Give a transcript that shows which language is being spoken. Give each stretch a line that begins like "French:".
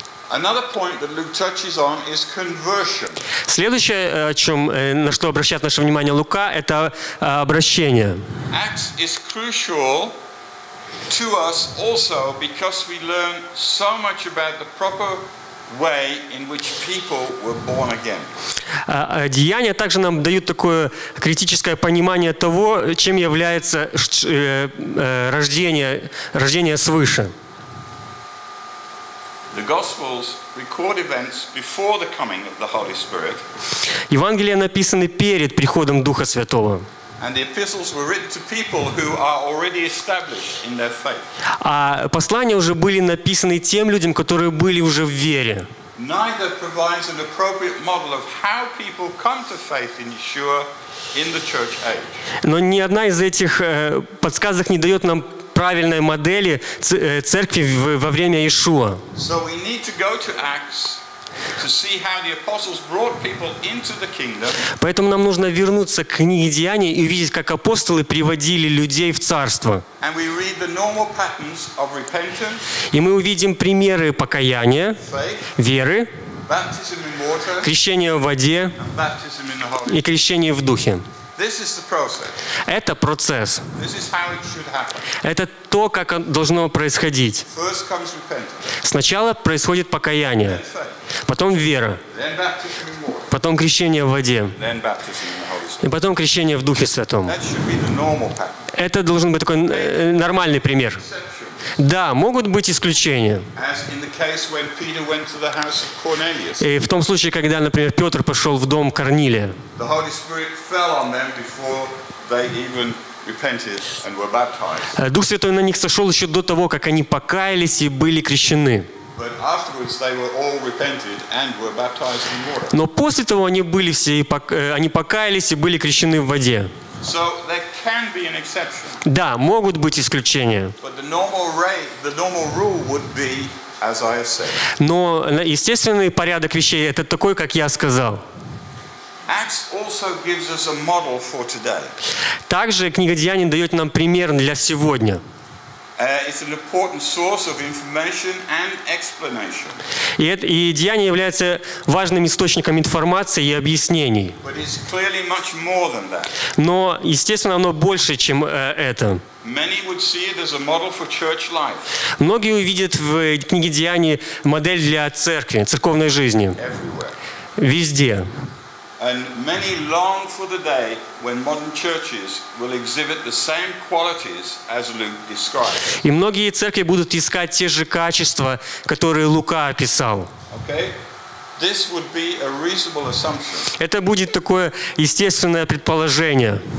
English: Another point that Luke touches on is conversion.
Russian: Следующее, о чем, на что обращает наше внимание Лука, это обращение.
English: Acts is crucial to us also because we learn so much about the proper way in which people were born again.
Russian: Деяния также нам дают такое критическое понимание того, чем является рождение свыше.
English: The Gospels record events before the coming of the Holy Spirit.
Russian: Евангелия написаны перед приходом Духа Святого.
English: And the epistles were written to people who are already established in their faith.
Russian: А послания уже были написаны тем людям, которые были уже в вере.
English: Neither provides an appropriate model of how people come to faith in Yeshua in the church age.
Russian: Но ни одна из этих подсказок не дает нам правильной модели церкви во время Иешуа.
English: So we need to go to Acts to see how the apostles brought people into the kingdom.
Russian: Поэтому нам нужно вернуться к книге Деяний и увидеть, как апостолы приводили людей в царство.
English: And we read the normal patterns of repentance.
Russian: И мы увидим примеры покаяния,
English: faith,
Russian: веры,
English: baptism in water,
Russian: крещение в воде
English: and baptism in the Holy Spirit.
Russian: И крещение в духе.
English: This is the process.
Russian: Это процесс.
English: This is how it should happen.
Russian: Это то, как должно происходить.
English: First comes repentance.
Russian: Сначала происходит покаяние. Потом вера.
English: Then baptism in water.
Russian: Потом крещение в воде.
English: Then baptism in the Holy Spirit.
Russian: И потом крещение в Духе Святом.
English: That should be the normal pattern.
Russian: Это должен быть такой нормальный пример. Да, могут быть исключения.
English: As in the case when Peter went to the house of Cornelius.
Russian: И в том случае, когда, например, Петр пошел в дом Корнилия.
English: The Holy Spirit fell on them before they even repented and were baptized.
Russian: Дух Святой на них сошел еще до того, как они покаялись и были крещены.
English: But afterwards they were all repented and were baptized in water.
Russian: Но после того они были все и они покаялись и были крещены в воде.
English: So there can be an exception.
Russian: Да, могут быть исключения.
English: But the normal rate, the normal rule would be as I have said.
Russian: Но естественный порядок вещей это такой, как я сказал.
English: Acts also gives us a model for today.
Russian: Также книга Деяний дает нам пример для сегодня.
English: It's an important source of information and explanation.
Russian: И Деяния является важным источником информации и объяснений.
English: But it's clearly much more than that.
Russian: Но, естественно, оно больше, чем это.
English: Many would see it as a model for church life.
Russian: Многие увидят в книге Деяний модель для церкви, церковной жизни.
English: Everywhere.
Russian: Везде.
English: And many long for the day when modern churches will exhibit the same qualities as Luke described.
Russian: И многие церкви будут искать те же качества, которые Лука описал.
English: Okay. This would be a reasonable assumption.
Russian: Это будет такое естественное предположение.